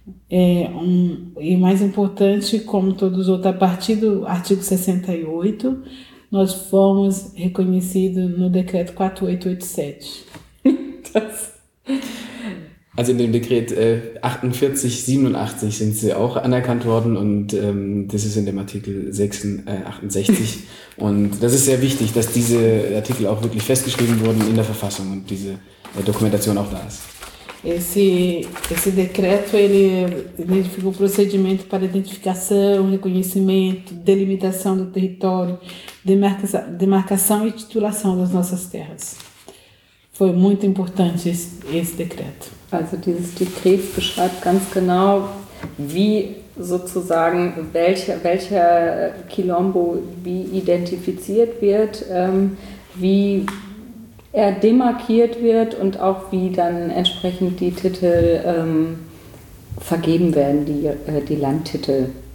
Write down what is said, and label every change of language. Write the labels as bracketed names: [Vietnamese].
[Portuguese] E mais importante, como todos outros, a partir do artigo 68, nós fomos reconhecidos no decreto 4887. [German] Also in dem Dekret 48, 87 sind sie auch anerkannt worden und das ist in dem Artikel 68. Und das ist sehr wichtig, dass diese Artikel auch wirklich festgeschrieben wurden in der Verfassung und diese Dokumentation auch da ist. [Portuguese] Esse decreto, ele identificou o procedimento para identificação, reconhecimento, delimitação do território, demarcação e titulação das nossas terras. Foi muito importante esse decreto. [German] Also dieses Dekret beschreibt ganz genau, wie sozusagen welcher Quilombo wie identifiziert wird, wie er demarkiert wird und auch wie dann entsprechend die Titel vergeben werden, die Landtitel.